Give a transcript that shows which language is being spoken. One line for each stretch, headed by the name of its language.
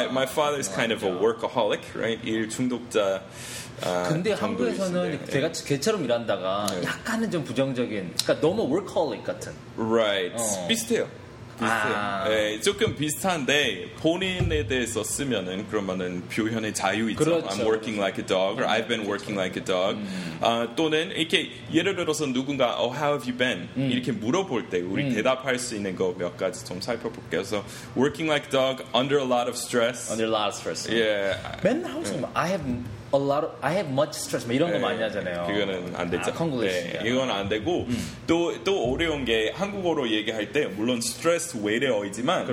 English: My father is kind of a workaholic, right? 일 중독자.
Korean: 근데 한국에서는 제가 개처럼 일한다가 약간은 좀 부정적인, 그러니까 너무 workaholic 같은. Right. 비슷해요. 아. 네, 조금 비슷한데 본인에 대해서 쓰면은 그러면은 표현의 자유이죠. 그렇죠.
English: I'm working like a dog or I've been working like a dog.
Korean: 또는 이렇게 예를 들어서 누군가
English: Oh, how have you been?
Korean: 이렇게 물어볼 때 우리 대답할 수 있는 거 몇 가지 좀 살펴볼게요.
English: So, working like a dog under a lot of stress. Under a lot of stress. Yeah.
Korean: 맨날 항상
English: I have a lot of, I have much stress.
Korean: 이런 거 많이 하잖아요. 그거는 안 되죠. 아, Konglish. 네, 이건 안 되고 또 어려운 게 한국어로 얘기할 때 물론 stress 외래어이지만